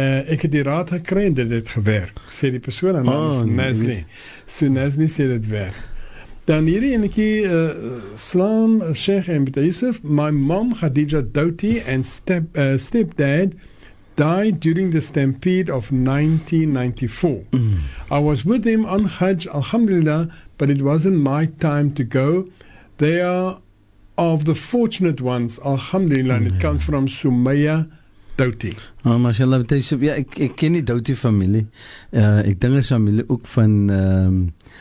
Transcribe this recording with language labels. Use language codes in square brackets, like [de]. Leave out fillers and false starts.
[af] Ek het die raad gekry en dit het gewerk, sê die persoon en naam is Nesli. So Nesli sê dit werk. Dan hierdie enekie, [en] Slam, Sheikh en Bita Yusuf, my mom Khadija Doughty and stepdad died during the stampede of 1994. I was with them on Hajj, alhamdulillah, but it wasn't my time to go. They are of the fortunate ones, alhamdulillah, and it comes from Sumaya Doughty. [af] Oh, mashallah, Bita Yusuf, ja, ek ken die Doughty familie. Ek denk die familie ook van...